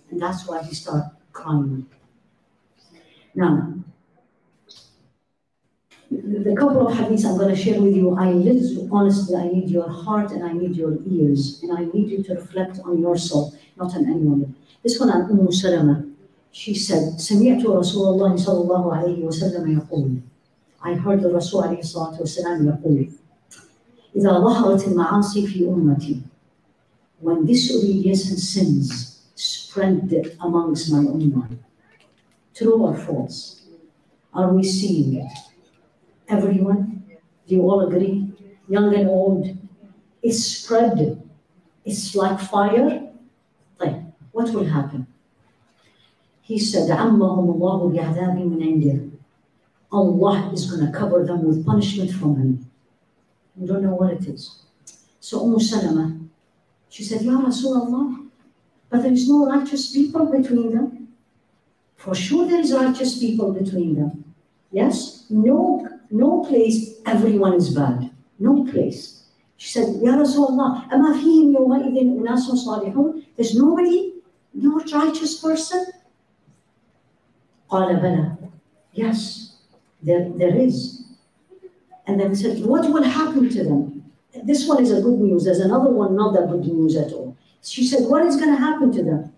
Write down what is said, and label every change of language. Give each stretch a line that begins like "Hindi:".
English: And that's why he started crying. Now, the couple of hadiths I'm going to share with you, I need your heart and I need your ears. And I need you to reflect on yourself, not on anyone. This one, Ummu Salama. She said,
Arabic: سَمِعْتُ رَسُولَ اللَّهِ صَلَى اللَّهُ عَلَيْهِ وَسَلَّمَ يَقُولُ.
English: I heard the Rasul
Arabic: عليه الصلاة والسلام يقول, إِذَا ظَهَرَتِ الْمَعَاصِي فِي أُمَّتِي,
English: when disobedience and sins spread amongst my ummah, true or false, are we seeing it? Everyone, do you all agree? Young and old, it's spread. It's like fire. طيب, what will happen? He said,
Arabic: عَمَّهُمُ اللَّهُ بِعْذَابٍ مِنْ عِنْدِهِ.
English: Allah is going to cover them with punishment from him. You don't know what it is. So Umm Salama, she said, Ya Rasulullah, but there is no righteous people between them. For sure there is righteous people between them. Yes? No place everyone is bad. No place. She said,
Arabic: Ya Rasulullah, أَمَا فِيهِمْ يَوْمَئِذٍ أُنَاسٌ صَالِحُونَ.
English: There's nobody, no righteous person.
Arabic: قَالَ بَلَى.
English: Yes, there is. And then he said, what will happen to them? This one is a good news. There's another one, not that good news at all. She said, what is going to happen to them?